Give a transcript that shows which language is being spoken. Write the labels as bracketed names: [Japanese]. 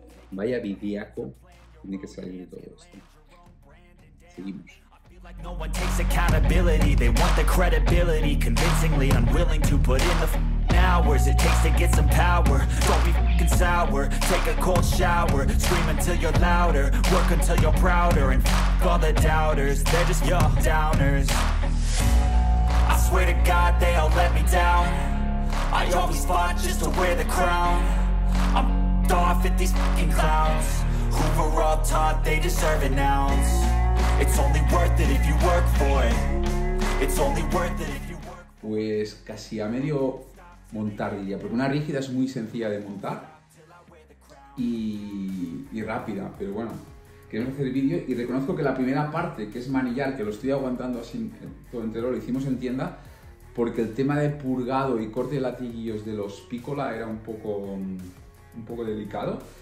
[Spanish] Vaya vidiaco, tiene que salir todo esto. Seguimos. [English] Like no one takes accountability, they want the credibility, convincingly unwilling to put in the hours it takes to get some power. Don't be f***ing sour, take a cold shower, scream until you're louder, work until you're prouder, and f*** all the doubters, they're just your downers. I swear to God they all let me down, I always fought just to wear the crown. I'm f***ed off at these f***ing clowns, who were all taught they deserve an ounce. It's only worth it if you work for it. It's only worth it if you work for it. [Spanish] Pues casi a medio montar, diría, porque una rígida es muy sencilla de montar y rápida, pero bueno, queremos hacer vídeo y reconozco que la primera parte, que es manillar, que lo estoy aguantando así todo entero, lo hicimos en tienda porque el tema de purgado y corte de latiguillos de los Piccola era un poco delicado.